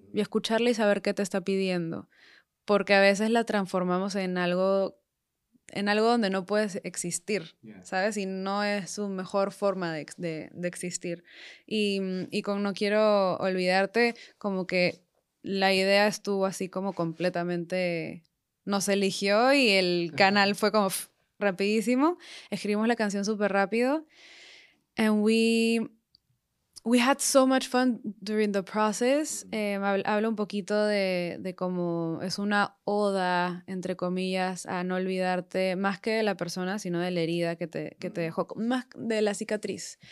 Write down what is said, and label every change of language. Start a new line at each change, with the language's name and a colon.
Spanish: Y escucharla y saber qué te está pidiendo. Porque a veces la transformamos en algo donde no puedes existir, ¿sabes? Y no es su mejor forma de existir. Y con No Quiero Olvidarte, como que la idea estuvo así como completamente... Nos eligió y el canal fue como rapidísimo. Escribimos la canción súper rápido.
English: And we had so much fun during the process.
Spanish: Hablo un poquito de cómo es una oda, entre comillas, a no olvidarte, más que de la persona, sino de la herida que te dejó, más de la cicatriz.